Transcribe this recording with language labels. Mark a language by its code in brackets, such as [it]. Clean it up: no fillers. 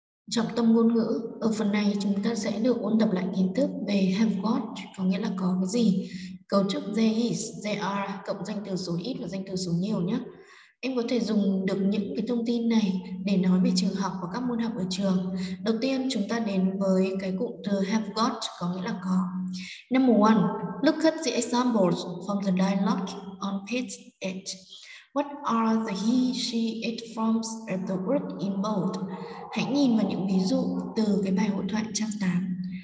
[vi] Trọng tâm ngôn ngữ, ở phần này chúng ta sẽ được ôn tập lại kiến thức về have got, có nghĩa là có cái gì. Cấu trúc there is, there are, cộng danh từ số ít và danh từ số nhiều nhé. Em có thể dùng được những cái thông tin này để nói về trường học và các môn học ở trường. Đầu tiên chúng ta đến với cái cụm từ have got, có nghĩa là có. [en] Number one, look at the examples from the dialogue on page 8. What are the he, she, it forms at the word in bold? [vi] Hãy nhìn vào những ví dụ từ cái bài hội thoại trang 8.